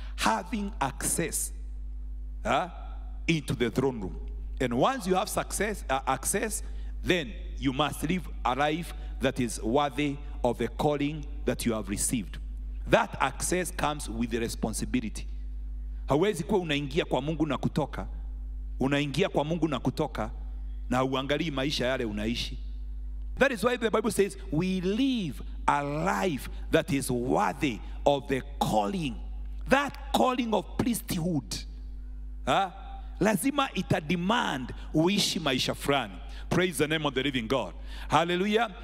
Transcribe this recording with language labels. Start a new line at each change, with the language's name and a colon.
English: Having access into the throne room. And once you have access, then you must live a life that is worthy of the calling that you have received. That access comes with the responsibility.
Swahili: Hawezi kuwa unaingia kwa Mungu na kutoka. Unaingia kwa Mungu na kutoka. Na uangalii maisha yale unaishi.
English: That is why the Bible says we live a life that is worthy of the calling. That calling of priesthood.
Swahili: lazima ita
English: demand
Swahili: uishi maisha fulani.
English: Praise the name of the living God. Hallelujah.